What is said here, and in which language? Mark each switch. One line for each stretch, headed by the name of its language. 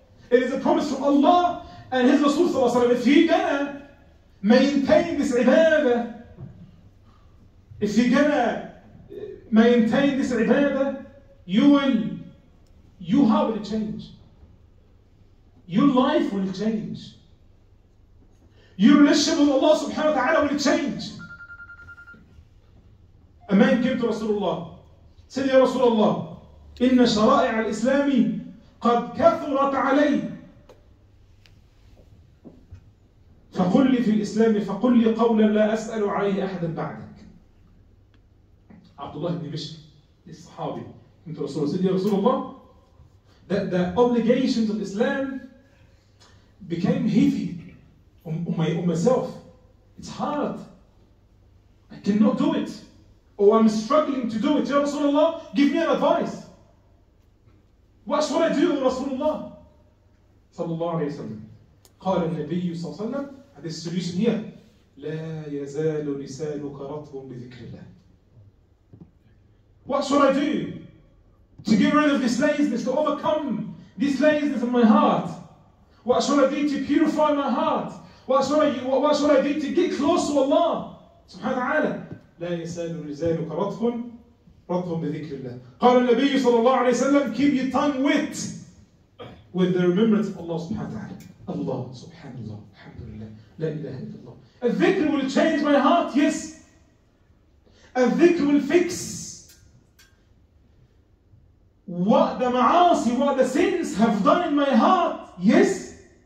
English: It is a promise from Allah and His Rasul sallallahu alayhi wa sallam. If you're gonna maintain this ibadah, if you're gonna maintain this ibadah, your heart will change. Your life will change. Your relationship with Allah subhanahu wa ta'ala will change. A man came to Rasulullah.
Arabic: Said, Ya Rasulullah, إن شرائع الإسلام قد كثرت علي. فقل لي في الإسلام فقل لي قولا لا أسأل عليه أحدا بعدك. عبد الله بن بشر الصحابي كنت رسول الله. سيدي رسول الله,
English: the obligations of Islam became heavy on myself. It's hard. I cannot do it. Or I'm struggling to do it. Ya Rasulullah, give me an advice. What should I do, Rasulullah?
Arabic: صلى الله عليه وسلم. قال النبي صلى الله عليه وسلم, هذه السوليوشن هي, لا يزال لسانك رطب بذكر الله.
English: What should I do to get rid of this laziness, to overcome this laziness in my heart? What should I do to purify my heart? What should I do to get close to Allah subhanahu wa ta'ala?
Arabic: لا يزال لسانك رطب بذكر الله. قال النبي صلى الله عليه وسلم,
English: keep your tongue wet with the remembrance of Allah subhanahu wa ta'ala. Allah subhanahu wa ta'ala.
Arabic: لا إله إلا الله.
English: الذكر will change my heart, yes. الذكر will fix what the ma'asi, what the sins have done in my heart, yes.